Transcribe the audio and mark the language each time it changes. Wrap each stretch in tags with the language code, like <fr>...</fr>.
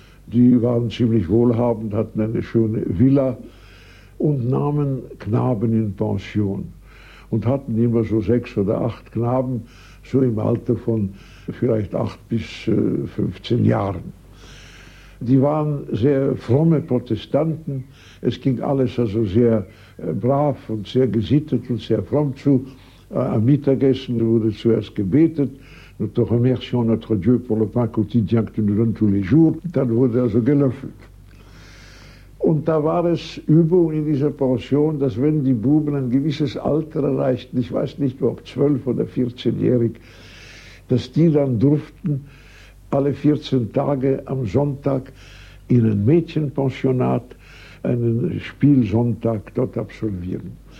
<de>Die waren ziemlich wohlhabend, hatten eine schöne Villa und nahmen Knaben in Pension und hatten immer so 6 oder 8 Knaben, so im Alter von vielleicht 8 bis 15 Jahren. Die waren sehr fromme Protestanten, es ging alles also sehr brav und sehr gesittet und sehr fromm zu. Am Mittagessen wurde zuerst gebetet.</de> <fr>Nous te remercions notre Dieu pour le pain quotidien que tu nous donnes tous les jours.</fr> <de>Dann wurde also gelöffelt. Und da war es Übung in dieser Pension, dass wenn die Buben ein gewisses Alter erreichten, ich weiß nicht, ob 12 oder 14-jährig, dass die dann durften, alle 14 Tage am Sonntag in ein Mädchenpensionat einen Spielsonntag dort absolvieren.</de>